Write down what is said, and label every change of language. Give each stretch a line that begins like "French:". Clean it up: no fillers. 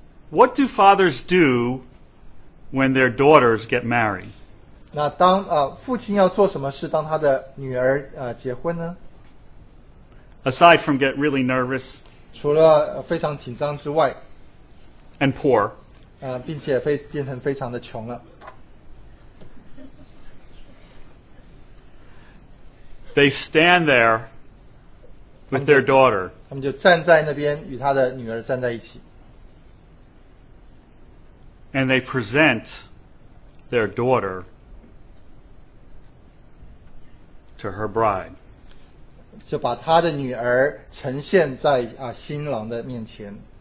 English: What do fathers do when their daughters get married?
Chinese: 那当, 父亲要做什么事, 当他的女儿, 结婚呢?
English: Aside from get really nervous
Chinese: 除了非常紧张之外,
English: and poor,
Chinese: 并且变成非常的穷了,
English: they stand there with their daughter.
Chinese: 他们就站在那边与他的女儿站在一起,
English: and they present their daughter to her bride.
Chinese: 就把他的女儿呈现在, 新郎的面前。